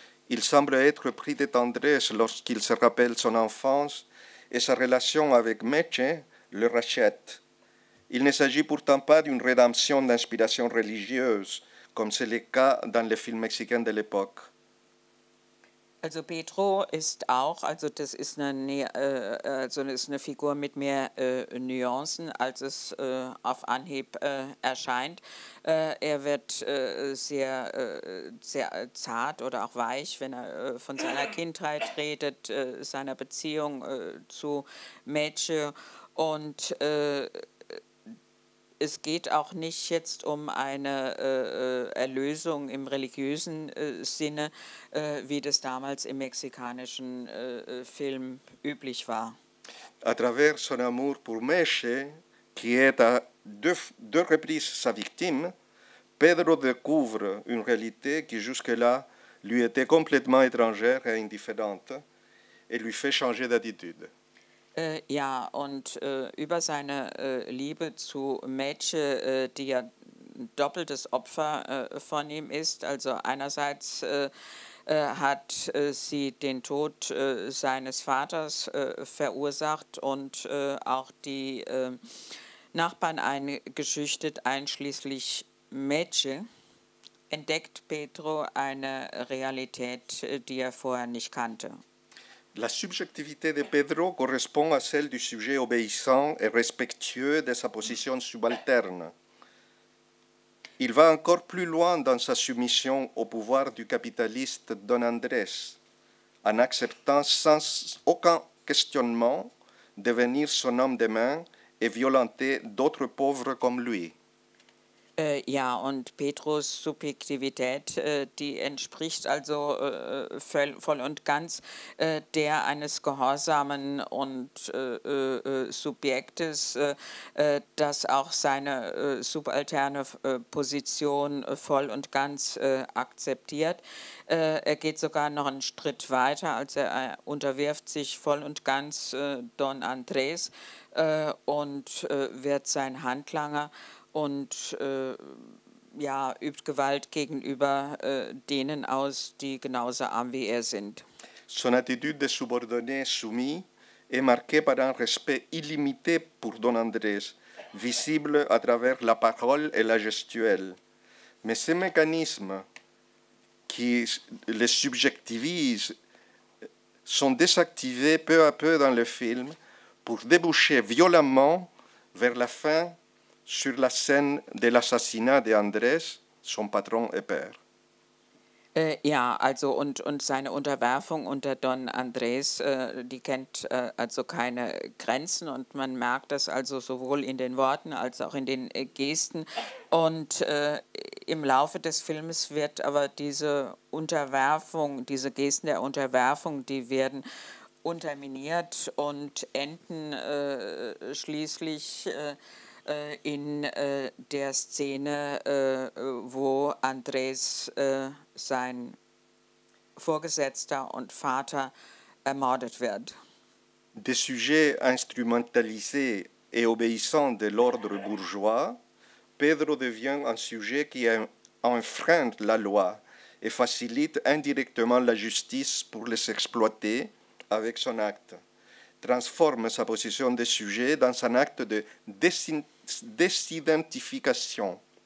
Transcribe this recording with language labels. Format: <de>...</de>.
<fr>Il semble être pris de tendresse lorsqu'il se rappelle son enfance et sa relation avec Meche le rachète. Il ne s'agit pourtant pas d'une rédemption d'inspiration religieuse, comme c'est le cas dans les films mexicains de l'époque.</fr> <de>Also Pedro ist auch, also das ist eine Figur mit mehr Nuancen, als es auf Anhieb erscheint. Er wird sehr zart oder auch weich, wenn er von seiner Kindheit redet, seiner Beziehung zu Mädchen. Und es geht auch nicht jetzt um eine Erlösung im religiösen Sinne, wie das damals im mexikanischen Film üblich war.</de> <fr>À travers son amour pour Meche, qui est à deux reprises sa victime, Pedro découvre une réalité qui jusque-là lui était complètement étrangère et indifférente et lui fait changer d'attitude.</fr> <de>Ja, und über seine Liebe zu Mädchen, die ja doppeltes Opfer von ihm ist, also einerseits hat sie den Tod seines Vaters verursacht und auch die Nachbarn eingeschüchtert, einschließlich Mädchen, entdeckt Pedro eine Realität, die er vorher nicht kannte.</de> <fr>La subjectivité de Pedro correspond à celle du sujet obéissant et respectueux de sa position subalterne. Il va encore plus loin dans sa soumission au pouvoir du capitaliste Don Andrés, en acceptant sans aucun questionnement devenir son homme de main et violenter d'autres pauvres comme lui.</fr> <de>Ja, und Pedros Subjektivität, die entspricht also voll und ganz der eines gehorsamen und Subjektes, das auch seine subalterne Position voll und ganz akzeptiert. Er geht sogar noch einen Schritt weiter, also er unterwirft sich voll und ganz Don Andrés und wird sein Handlanger. Und ja, übt Gewalt gegenüber denen aus, die genauso arm wie er sind.</de> <fr>Son attitude de subordonné soumis est marquée par un respect illimité pour Don Andrés, visible à travers la parole et la gestuelle. Mais ce mécanisme qui le subjectivise sont désactivés peu à peu dans le film pour déboucher violemment vers la fin sur la scène de l'assassinat d'Andrés, son patron et père.</fr> <de>Ja, also und seine Unterwerfung unter Don Andrés, die kennt also keine Grenzen, und man merkt das also sowohl in den Worten als auch in den Gesten. Und im Laufe des Films wird aber diese Unterwerfung, diese Gesten der Unterwerfung, die werden unterminiert und enden schließlich in der Szene, wo Andrés sein Vorgesetzter und Vater ermordet wird.</de> <fr>Des sujets instrumentalisés et obéissants de l'ordre bourgeois, Pedro devient un sujet qui enfreint la loi et facilite indirectement la justice pour les exploiter avec son acte, transforme sa position de sujet dans un acte de Desidentification.</fr>